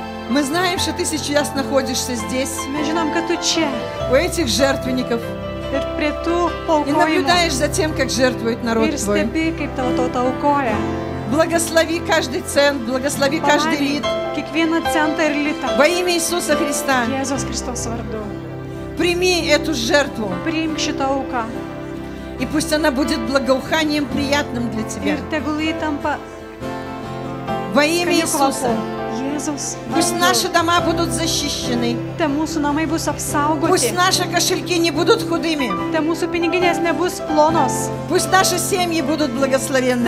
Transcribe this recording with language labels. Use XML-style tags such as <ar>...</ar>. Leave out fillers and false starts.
<ru>Мы знаем, что Ты сейчас находишься здесь. Мы знаем, что Ты здесь. У этих жертвенников. И наблюдаешь за тем, как жертвует народ Твой. И как Твой народ толкует. Благослови каждый цент, благослови каждый лит.</ru> <lt>Kiekvieną centą ir litą.</lt> <ru>Во имя Иисуса Христа.</ru> <lt>Jėzus Kristus vardu.</lt> <ru>Прими эту жертву.</ru> <lt>Приimk šitą auką.</lt> <ru>И пусть она будет благоуханием приятным для тебя.</ru> <lt>Ir tegul ji tampa.</lt> <ru>Во имя Иисуса.</ru> <lt>Jėzus.</lt> <ru>Пусть наши дома будут защищены.</ru> <lt>Te mūsų namai bus apsaugoti.</lt> <ru>Пусть наши кошельки не будут худыми.</ru> <lt>Te mūsų piniginės nebus plonos.</lt> <ru>Пусть наши семьи будут благословенными.</ru>